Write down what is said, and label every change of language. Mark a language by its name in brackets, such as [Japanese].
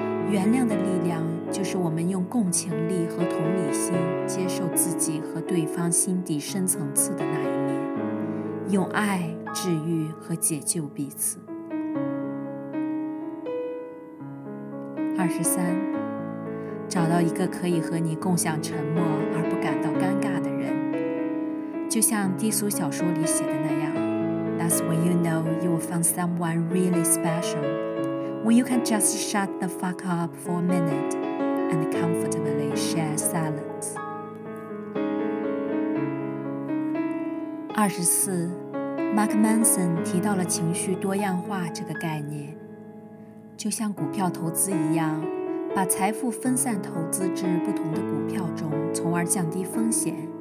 [Chinese] 原谅的力量就是我们用共情力和同理心接受自己和对方心底深层次的那一面，用爱治愈和解救彼此。 23，找到一个可以和你共享沉默而不感到尴尬的人，就像低俗小说里写的那样。 [English] That's when you know you will find someone really special. When you can just shut the fuck up for a minute and comfortably share silence. [Chinese] 24 Mark Manson 提到了情绪多样化这个概念，就像股票投资一样，把财富分散投资至不同的股票中，从而降低风险。